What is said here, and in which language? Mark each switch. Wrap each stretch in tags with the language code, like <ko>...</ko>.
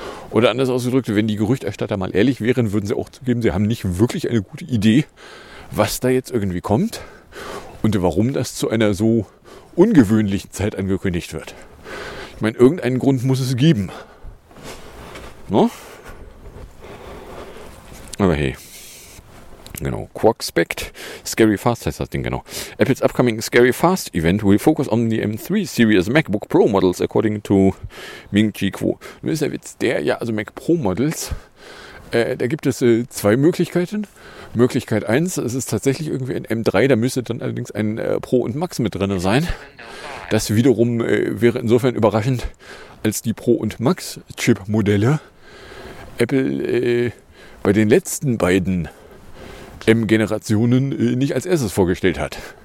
<de>Oder anders ausgedrückt, wenn die Gerüchterstatter mal ehrlich wären, würden sie auch zugeben, sie haben nicht wirklich eine gute Idee, was da jetzt irgendwie kommt und warum das zu einer so ungewöhnlichen Zeit angekündigt wird. Ich meine, irgendeinen Grund muss es geben. Ne? Aber hey. Genau, Quarkspect, Scary Fast heißt das Ding, genau.</de> <en>Apples upcoming Scary Fast Event will focus on the M3 Series MacBook Pro Models, according to Ming-Chi Kuo.</en> <de>Nun ist der Witz, der, ja, also Mac Pro Models, da gibt es zwei Möglichkeiten. Möglichkeit 1, es ist tatsächlich irgendwie ein M3, da müsste dann allerdings ein Pro und Max mit drin sein. Das wiederum wäre insofern überraschend, als die Pro und Max Chip Modelle Apple bei den letzten beiden M-Generationen nicht als erstes vorgestellt hat.</de>